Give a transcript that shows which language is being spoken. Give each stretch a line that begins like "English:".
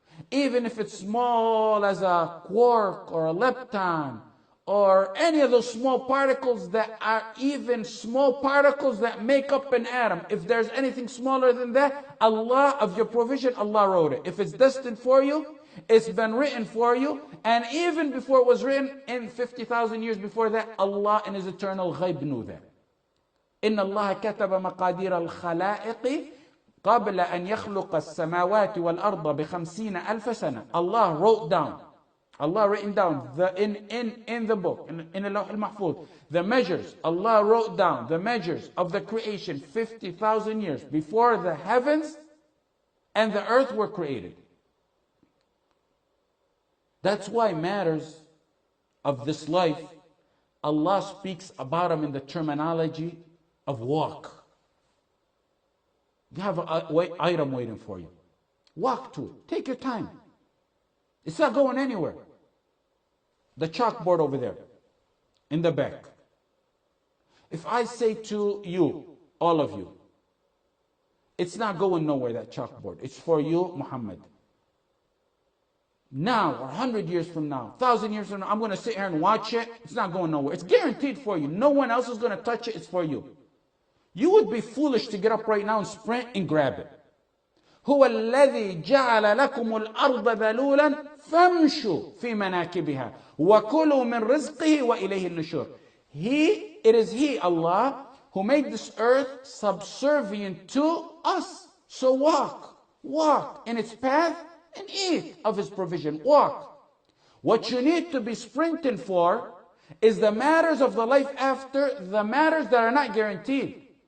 English: Even if it's small as a quark or a lepton or any of those small particles that are even small particles that make up an atom. If there's anything smaller than that, Allah of your provision, Allah wrote it. If it's destined for you, it's been written for you. And even before it was written, in 50,000 years before that, Allah in His eternal ghayb knew that.
Arabic: إِنَّ اللَّهَ كَتَبَ مَقَادِيرَ الْخَلَائِقِ قبل أن يخلق السماوات والأرض بخمسين ألف سنة.
English: Allah wrote down, Allah written down the in the book, in اللوح المحفوظ, the measures. Allah wrote down the measures of the creation 50,000 years before the heavens and the earth were created. That's why matters of this life, Allah speaks about them in the terminology of walk. You have an item waiting for you. Walk to it. Take your time. It's not going anywhere. The chalkboard over there, in the back. If I say to you, all of you, it's not going nowhere, that chalkboard. It's for you, Muhammad. Now, 100 years from now, 1,000 years from now, I'm going to sit here and watch it. It's not going nowhere. It's guaranteed for you. No one else is going to touch it. It's for you. You would be foolish to get up right now and sprint and grab it.
Arabic: هو الذي جعل لكم الأرض ذلولا فامشوا في مناكبها وكلوا من رزقه وإليه النشور.
English: It is He, Allah, who made this earth subservient to us. So walk, walk in its path and eat of His provision. Walk. What you need to be sprinting for is the matters of the life after, the matters that are not guaranteed.